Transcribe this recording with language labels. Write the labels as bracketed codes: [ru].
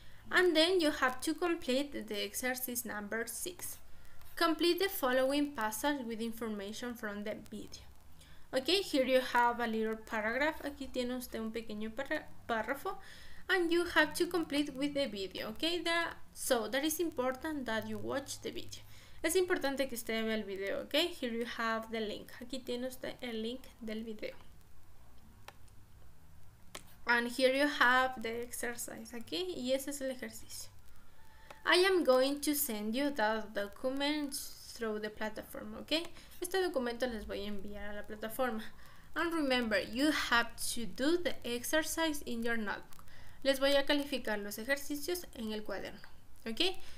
[en] And then you have to complete the exercise number 6. Complete the following passage with information from the video. Okay, here you have a little paragraph. [es] Aquí tiene usted un pequeño párrafo. [en] And you have to complete with the video, okay? So that is important that you watch the video. [es] Es importante que usted vea el video, okay? [en] Here you have the link. [es] Aquí tiene usted el link del video. [en] And here you have the exercise, okay? [es] Y ese es el ejercicio. [en] I am going to send you that document through the platform, okay? [es] Este documento les voy a enviar a la plataforma. [en] And remember, you have to do the exercise in your notebook. [es] Les voy a calificar los ejercicios en el cuaderno, okay?